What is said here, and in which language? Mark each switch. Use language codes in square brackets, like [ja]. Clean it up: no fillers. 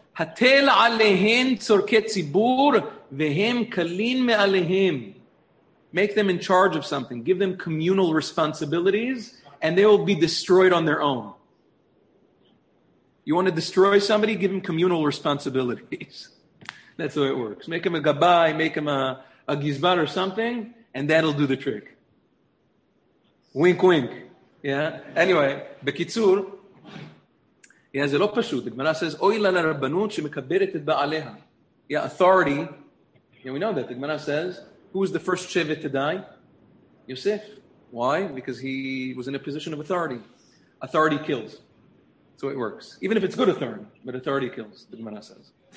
[he] הטל עליהן צורכי ציבור, והם קלים מעליהם. [en] Make them in charge of something. Give them communal responsibilities, and they will be destroyed on their own. You want to destroy somebody? Give them communal responsibilities. That's the way it works. Make them a gabai, make them a gizbar or something, and that'll do the trick. Wink, wink. Yeah? Anyway, [he] בקיצור, yeah, זה לא פשוט. הגמרא [en] says, [he] אוי לה לרבנות שמקברת את בעליה. [en] Yeah, authority. Yeah, we know that. הגמרא says, who was the first shevet to die? Yosef. Why? Because he was in a position of authority. Authority kills. That's the way it works. Even if it's good authority, but authority kills, the Gemara says.